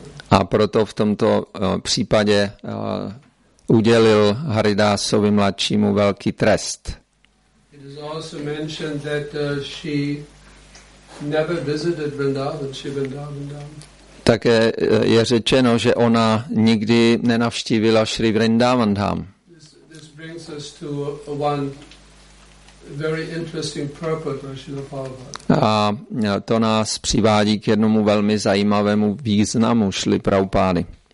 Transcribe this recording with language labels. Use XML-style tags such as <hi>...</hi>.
<cs>A proto v tomto případě udělil Haridásovi mladšímu velký trest.</cs> <en>Also mentioned that she never visited Vrindavan, she Vrindavan Dham.</en> <cs>Také je řečeno, že ona nikdy nenavštívila Sri Vrindavan Dham.</cs> <en>This brings us to one very interesting purport of Srila Prabhupada.</en> <cs>A to nás přivádí k jednomu velmi zajímavému významu Srila Prabhupady,</cs>